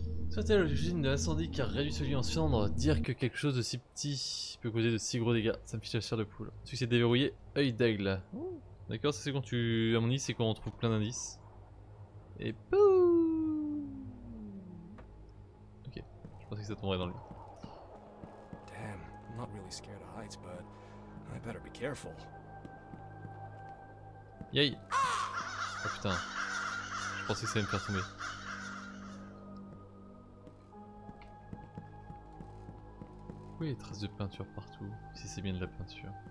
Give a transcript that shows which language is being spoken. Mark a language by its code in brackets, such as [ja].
[fr] Soit à l'origine de l'incendie qui a réduit ce lieu en cendres, dire que quelque chose de si petit peut causer de si gros dégâts, ça me fiche la chair de poule. Succès déverrouillé, œil d'aigle. D'accord, ça c'est quand tu. À mon avis, c'est quand on trouve plein d'indices. Et pouh! Ok, je pensais que ça tomberait dans le. [en] Damn, I'm not really scared of heights, but I better be careful. Yay! [fr] Oh putain, je pensais que ça allait me faire tomber. Oui, les traces de peinture partout, si c'est bien de la peinture.